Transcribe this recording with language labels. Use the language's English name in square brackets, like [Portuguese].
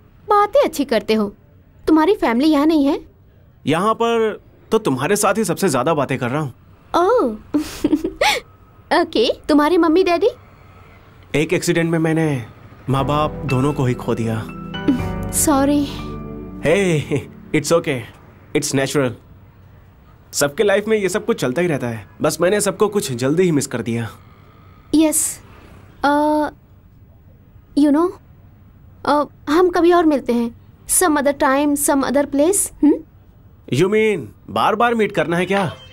[Hindi] बातें अच्छी करते हो, तुम्हारी फैमिली यहाँ नहीं है? यहाँ पर तो तुम्हारे साथ ही सबसे ज्यादा बातें कर रहा हूँ। ओके, तुम्हारे मम्मी डैडी? एक एक्सीडेंट में मैंने माँ बाप दोनों को ही खो दिया। [English] Sorry. Hey, it's okay, it's natural. [Hindi] सबके लाइफ में ये सब कुछ चलता ही रहता है, बस मैंने सबको कुछ जल्दी ही मिस कर दिया। [English] yes, you know, [Hindi] हम कभी और मिलते हैं, [English] Some other time, some other place. You mean [Hindi] bar bar meet करना है क्या?